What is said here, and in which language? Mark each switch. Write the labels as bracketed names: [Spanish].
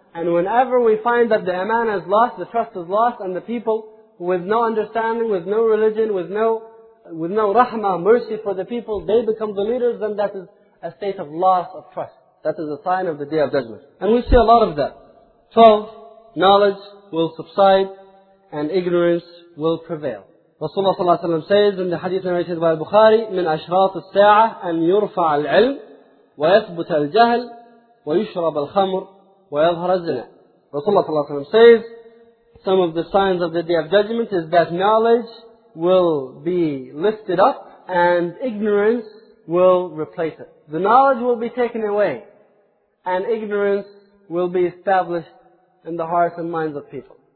[English] And whenever we find that the amana is lost, the trust is lost, and the people with no understanding, with no religion, with no rahmah, mercy for the people, they become the leaders, then that is a state of loss of trust. That is a sign of the Day of Judgment. And we see a lot of that. 12, knowledge will subside and ignorance will prevail. Rasulullah صلى الله عليه وسلم says in the hadith narrated by Bukhari, [Arabic] من أشراط الساعة أن يرفع العلم ويثبت الجهل ويشرب الخمر ويظهر الزنا. [English] Rasulullah صلى الله عليه وسلم says, some of the signs of the Day of Judgment is that knowledge will be lifted up and ignorance will replace it. The knowledge will be taken away and ignorance will be established in the hearts and minds of people.